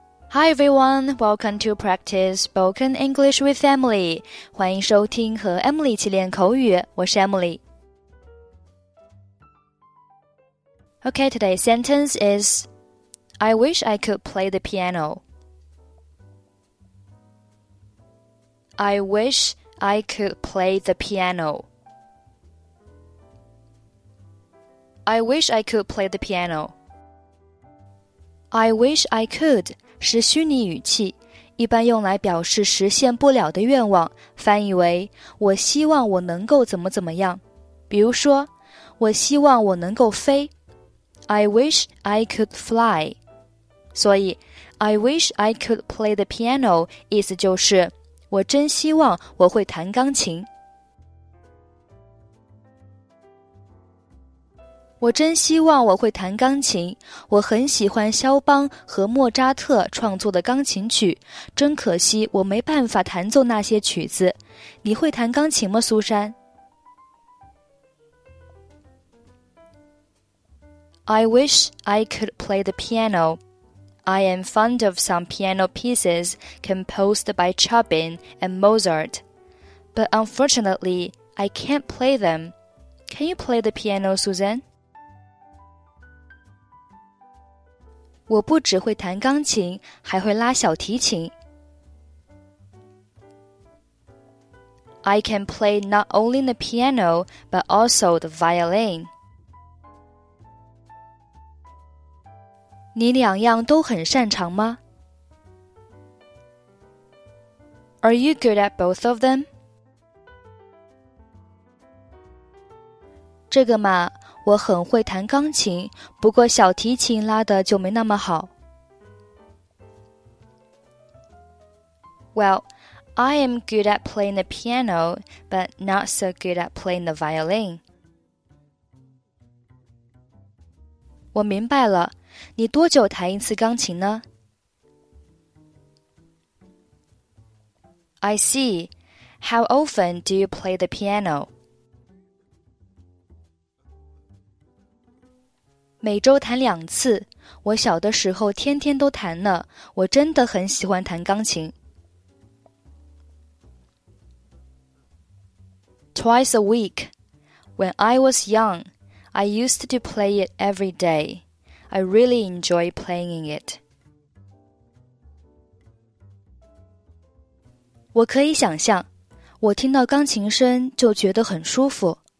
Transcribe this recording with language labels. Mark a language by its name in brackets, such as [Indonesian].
[English] Hi everyone, welcome to Practice Spoken English with Emily. [Chinese] 欢迎收听和 Emily 一起练口语，我是 Emily. [English] Okay, today's sentence is, I wish I could play the piano. I wish I could play the piano. I wish I could play the piano. I wish I could. [Chinese] 是虚拟语气，一般用来表示实现不了的愿望，翻译为我希望我能够怎么怎么样。比如说，我希望我能够飞 [English] I wish I could fly. [Chinese] 所以 [English] I wish I could play the piano [Chinese] 意思就是我真希望我会弹钢琴。我真希望我会弹钢琴，我很喜欢肖邦和莫扎特创作的钢琴曲，真可惜我没办法弹奏那些曲子。你会弹钢琴吗，苏珊？ [English] I wish I could play the piano. I am fond of some piano pieces composed by Chopin and Mozart. But unfortunately, I can't play them. Can you play the piano, Susan? [Chinese] 我不只会弹钢琴，还会拉小提琴。 [English] I can play not only the piano, but also the violin. [Chinese] 你两样都很擅长吗？ [English] Are you good at both of them? [Chinese] 这个嘛我很会弹钢琴，不过小提琴拉的就没那么好。 [English] Well, I am good at playing the piano, but not so good at playing the violin. [Chinese] 我明白了，你多久弹一次钢琴呢？ [English] I see. How often do you play the piano? [Chinese] 每周弹两次，我小的时候天天都弹呢，我真的很喜欢弹钢琴。 [English] Twice a week. When I was young, I used to play it every day. I really enjoy playing it. [Chinese] 我可以想象，我听到钢琴声就觉得很舒服。